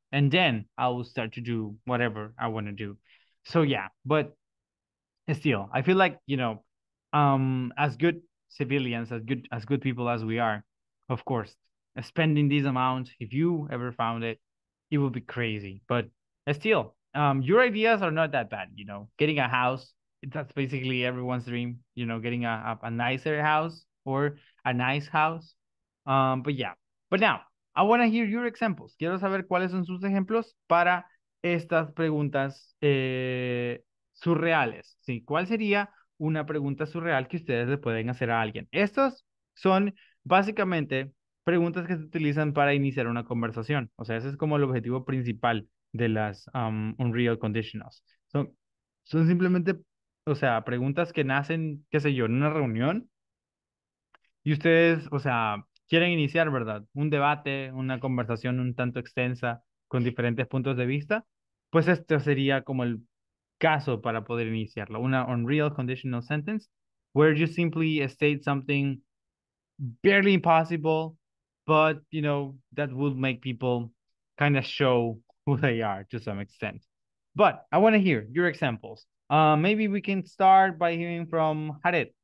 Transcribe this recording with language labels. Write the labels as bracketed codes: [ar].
[en] And then I will start to do whatever I want to do. So, yeah, but still, I feel like, you know, as good civilians, as good people as we are, of course, spending this amount, if you ever found it, it would be crazy. But still, your ideas are not that bad, you know, getting a house, that's basically everyone's dream, you know, getting a nicer house or a nice house. But yeah, but now I want to hear your examples. [es] Quiero saber cuáles son sus ejemplos para estas preguntas surreales. ¿Sí? ¿Cuál sería una pregunta surreal que ustedes le pueden hacer a alguien? Estas son básicamente preguntas que se utilizan para iniciar una conversación. O sea, ese es como el objetivo principal de las Unreal Conditionals. Son simplemente, o sea, preguntas que nacen, qué sé yo, en una reunión. Y ustedes, o sea, quieren iniciar, ¿verdad? Un debate, una conversación un tanto extensa con diferentes puntos de vista. Pues este sería como el caso para poder iniciarlo. [en] Una Unreal Conditional Sentence, where you simply state something barely impossible, but, you know, that would make people kind of show who they are to some extent. But I want to hear your examples. Maybe we can start by hearing from Jared.